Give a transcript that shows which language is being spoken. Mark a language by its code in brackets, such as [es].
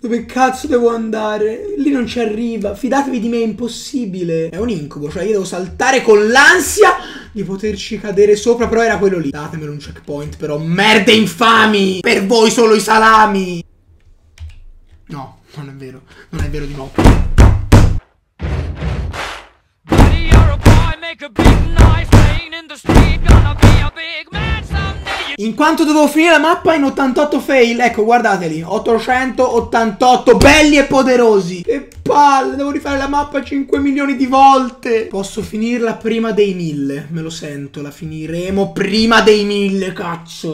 [it] Dove cazzo devo andare? Lì non ci arriva. Fidatevi di me, è impossibile. È un incubo, cioè io devo saltare con l'ansia di poterci cadere sopra, però era quello lì. Datemelo un checkpoint, però. Merde infami! Per voi solo i salami! No. Non è vero, non è vero di nuovo. [en] Buddy, you're a boy, make a big noise, playing in the street, gonna be a big man. [it] In quanto dovevo finire la mappa in 88 fail. Ecco, guardateli, 888 belli e poderosi. Che palle, devo rifare la mappa 5 milioni di volte. Posso finirla prima dei 1000, me lo sento. La finiremo prima dei 1000, cazzo.